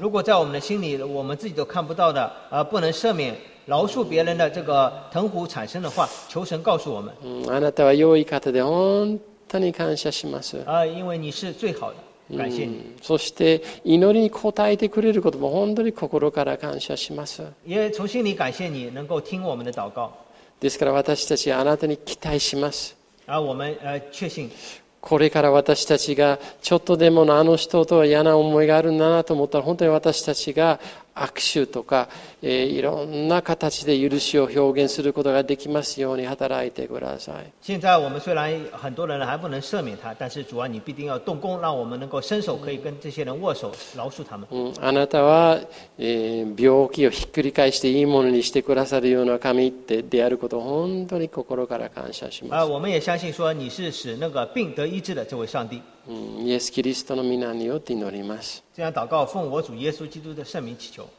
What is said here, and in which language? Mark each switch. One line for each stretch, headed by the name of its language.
Chinese: 如果在我们的心里，我们自己都看不到的、不能赦免。饶恕别人的这个藤壶产生的话，求神告诉我们。
Japanese: あなたは良い方で本当に感謝します。
Chinese: 因为你是最好的，感谢你。
Japanese: そして祈りに応えてくれることも本当に心から感謝します。
Chinese: 也从心里感谢你能够听我们的祷告。
Japanese: ですから私たちはあなたに期待します。
Chinese: 我们确信。
Japanese: これから私たちがちょっとでもあの人とは嫌な思いがあるんだなと思ったら本当に私たちが握手とか、いろんな形で許しを表現することができますように働いてください。
Chinese: 现在我们虽然很多人还不能赦免他，但是主啊你必定要动工，让我们能够伸手可以跟这些人握手饶恕他们、
Japanese: うん、あなたは、病気をひっくり返していいものにしてくださるような神ってであることを本当に心から感謝します。
Chinese: 我们也相信说你是使那个病得医治的这位上帝。
Japanese: イエス・キリストの皆によって祈ります。
Chinese: 这样祷告奉我主耶稣基督的圣名祈求。